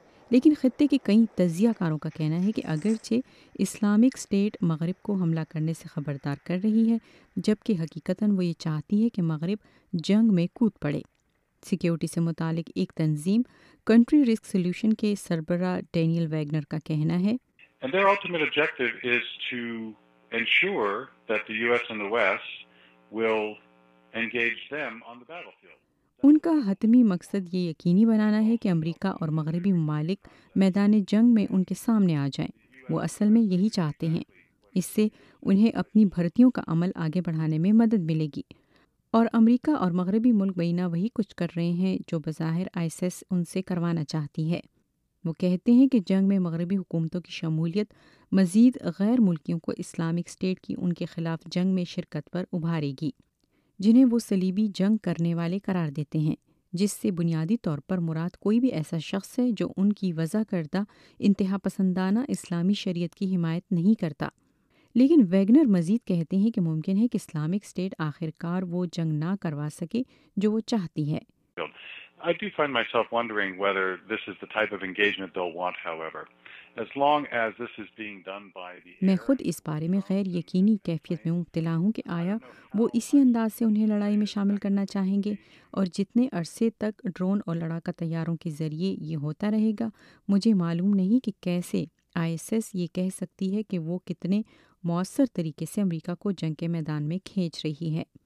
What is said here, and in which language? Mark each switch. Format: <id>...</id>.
<ur>لیکن خطے کے کئی تجزیہ کاروں کا کہنا ہے کہ اگرچہ اسلامک اسٹیٹ مغرب کو حملہ کرنے سے خبردار کر رہی ہے, جبکہ حقیقتاً وہ یہ چاہتی ہے کہ مغرب جنگ میں کود پڑے. سیکیورٹی سے متعلق ایک تنظیم کنٹری رسک سولوشن کے سربراہ ڈینیل ویگنر کا کہنا ہے,</ur> <en>And their ultimate objective is to ensure that the US and the West will engage them on the battlefield.</en> <ur>ان کا حتمی مقصد یہ یقینی بنانا ہے کہ امریکہ اور مغربی ممالک میدان جنگ میں ان کے سامنے آ جائیں. وہ اصل میں یہی چاہتے ہیں, اس سے انہیں اپنی بھرتیوں کا عمل آگے بڑھانے میں مدد ملے گی. اور امریکہ اور مغربی ملک بینا وہی کچھ کر رہے ہیں جو بظاہر آئی ایس ایس ان سے کروانا چاہتی ہے. وہ کہتے ہیں کہ جنگ میں مغربی حکومتوں کی شمولیت مزید غیر ملکیوں کو اسلامک اسٹیٹ کی ان کے خلاف جنگ میں شرکت پر ابھارے گی, جنہیں وہ صلیبی جنگ کرنے والے قرار دیتے ہیں, جس سے بنیادی طور پر مراد کوئی بھی ایسا شخص ہے جو ان کی وضع کردہ انتہا پسندانہ اسلامی شریعت کی حمایت نہیں کرتا. لیکن ویگنر مزید کہتے ہیں کہ ممکن ہے کہ اسلامک اسٹیٹ آخر کار وہ جنگ نہ کروا سکے جو وہ چاہتی ہے.</ur> <en>I do find myself wondering whether this is the type of engagement they'll want, however. As long as this is being done by the air,</en> <ur>میں خود اس بارے میں غیر یقینی کیفیت میں مبتلا ہوں کہ آیا وہ اسی انداز سے انہیں لڑائی میں شامل کرنا چاہیں گے, اور جتنے عرصے تک ڈرون اور لڑاکا طیاروں کے ذریعے یہ ہوتا رہے گا, مجھے معلوم نہیں کہ کیسے آئی ایس ایس یہ کہہ سکتی ہے کہ وہ کتنے مؤثر طریقے سے امریکہ کو جنگ کے میدان میں کھینچ رہی ہے.</ur>